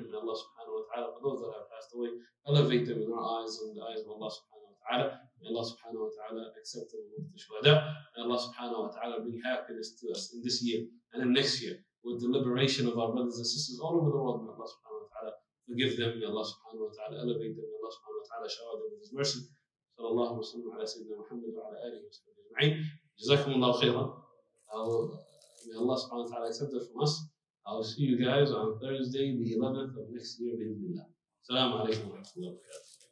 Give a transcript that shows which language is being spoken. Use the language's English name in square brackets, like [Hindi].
[English] May Allah subhanahu wa ta'ala for those that have passed away, elevate them in our eyes and the eyes of Allah subhanahu wa ta'ala. May Allah subhanahu wa ta'ala accept them with the shuhada. May Allah subhanahu wa ta'ala bring happiness to us in this year and in next year with the liberation of our brothers and sisters all over the world. May Allah subhanahu wa ta'ala forgive them. May Allah subhanahu wa ta'ala elevate them. May Allah subhanahu wa ta'ala shower them with His mercy. [Arabic] صلى الله وسلم على سيدنا محمد وعلى آله وصحبه أجمعين. جزاكم الله خيرا. [English] May Allah subhanahu wa ta'ala accept it from us. I'll see you guys on Thursday, the 11th of next year, [Arabic] بإذن الله. السلام عليكم ورحمة الله وبركاته.